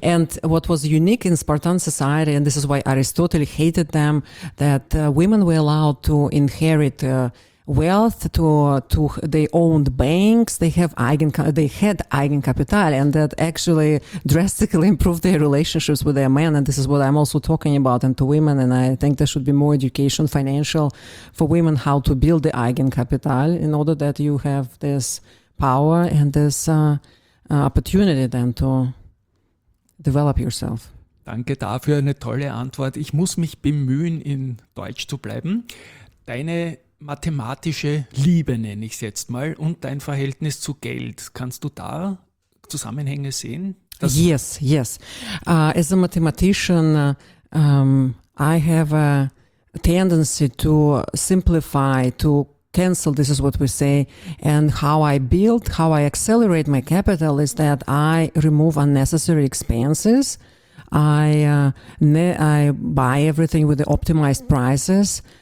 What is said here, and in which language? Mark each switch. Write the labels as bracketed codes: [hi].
[en] And what was unique in Spartan society, and this is why Aristotle hated them, that women were allowed to inherit wealth to they owned banks, they had Eigenkapital, and that actually drastically improved their relationships with their men. And this is what I'm also talking about, and to women. And I think there should be more education, financial, for women, how to build the Eigenkapital in order that you have this power and this opportunity then to develop yourself. [de] Danke dafür, eine tolle Antwort. Ich muss mich bemühen, in Deutsch zu bleiben. Deine mathematische Liebe, nenne ich es jetzt mal, und dein Verhältnis zu Geld. Kannst du da Zusammenhänge sehen? [en] Yes, yes. As a mathematician, I have a tendency to simplify, to cancel, this is what we say, and how I accelerate my capital is that I remove unnecessary expenses, I buy everything with the optimized prices.